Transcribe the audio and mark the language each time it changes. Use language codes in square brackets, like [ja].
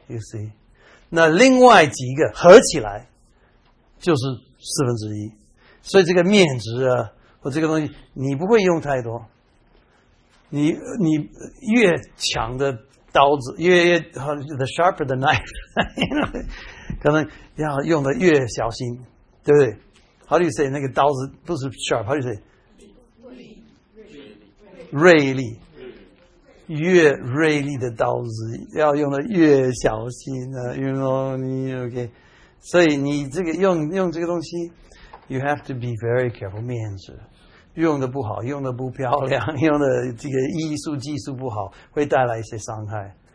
[en] You see， [zh] 那另外几个合起来就是1/4，所以这个面值啊，或这个东西你不会用太多。你越强的刀子，越 [en] the sharper the knife， [zh] 可能要用的越小心，对不对 ？ [en] How do you say [zh] 那个刀子不是 sharp？ [en] How do you say [zh] 锐利？越锐利的刀子要用的越小心啊， [en] you know， [zh] 你 OK， 所以你这个用这个东西 ， [en] you have to be very careful， [zh] 面子用的不好，用的不漂亮，用的这个艺术技术不好，会带来一些伤害。